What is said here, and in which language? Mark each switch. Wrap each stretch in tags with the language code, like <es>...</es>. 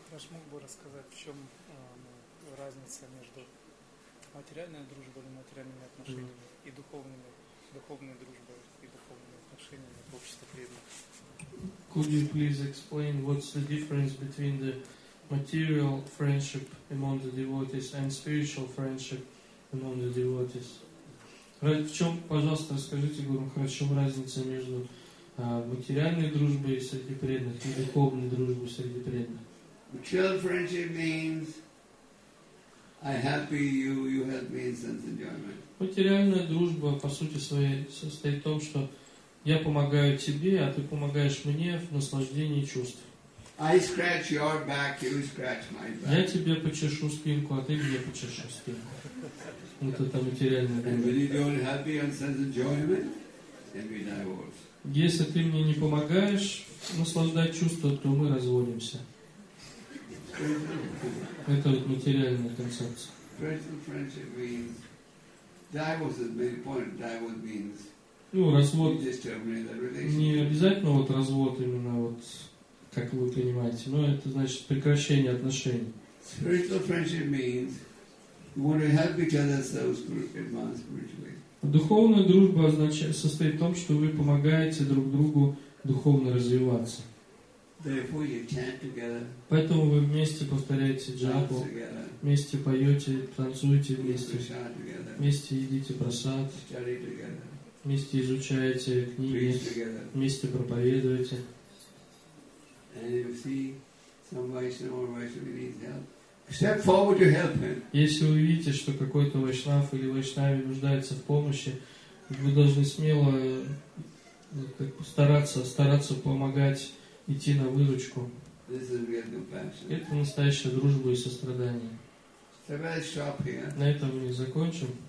<ru>Мог бы рассказать, в чем разница между материальной дружбой и материальными отношениями и духовной дружбой и духовными отношениями в обществе преданных?</ru> <en>Could you please explain what's the difference between the material friendship among the devotees and spiritual friendship among the devotees?</en> <ru>В чем, пожалуйста, расскажите, Гуру Махарадж, в чем разница между материальной дружбой среди преданных и духовной дружбой среди преданных?</ru> <en>Material friendship means I help you, you help me in sense enjoyment.</en> <ru>Материальная дружба по сути своей состоит в том, что я помогаю тебе, а ты помогаешь мне в наслаждении чувств.</ru> <en>I scratch your back, you scratch my back.</en> <ru>Я тебе почешу спинку, а ты мне почешу спинку. Вот это материальная дружба.</ru> <en>And when you don't help me in sense enjoyment, then we divorce.</en> <ru>Если ты мне не помогаешь наслаждать чувства, то мы разводимся. Это вот материальная концепция.</ru> <en>Spiritual friendship means divorce is the main point. Divorce means.</en> <ru>Ну, развод. Не обязательно вот развод именно вот как вы понимаете, но это значит прекращение отношений.</ru> <en>Spiritual friendship means you want to help each other so advance spiritually.</en> <ru>Духовная дружба означает, состоит в том, что вы помогаете друг другу духовно развиваться.</ru> <en>Therefore, you chant together.</en> <ru>Поэтому вы вместе повторяете джапу, вместе поете, танцуете вместе, вместе едите прасад, вместе изучаете книги, вместе проповедуете.</ru> <en>And if you see some Vaishnava or Vaishnava needs help, Step forward to help him.</en> <ru>Если вы видите, что какой-то вайшнав или вайшнави нуждается в помощи, вы должны смело стараться помогать, идти на выручку. Это настоящая дружба и сострадание. На этом мы закончим.</ru>